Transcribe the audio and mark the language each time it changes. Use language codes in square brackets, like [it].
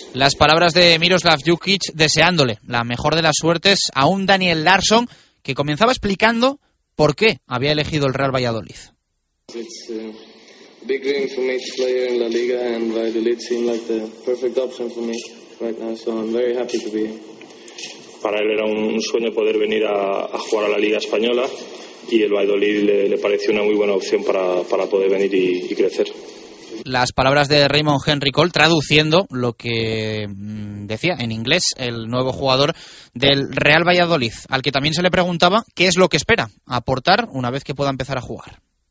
[es] Las palabras de Miroslav Jukic deseándole la mejor de las suertes a un Daniel Larsson que comenzaba explicando por qué había elegido el Real Valladolid. [en] It's a big dream for me to play here in La Liga, and Valladolid seemed like the perfect option for me right now, so I'm very happy to be here. [es] Para él era un sueño poder venir a jugar a la Liga Española, y el Valladolid le pareció una muy buena opción para poder venir y crecer. Las palabras de Raymond Henry Cole traduciendo lo que decía en inglés el nuevo jugador del Real Valladolid, al que también se le preguntaba qué es lo que espera aportar una vez que pueda empezar a jugar.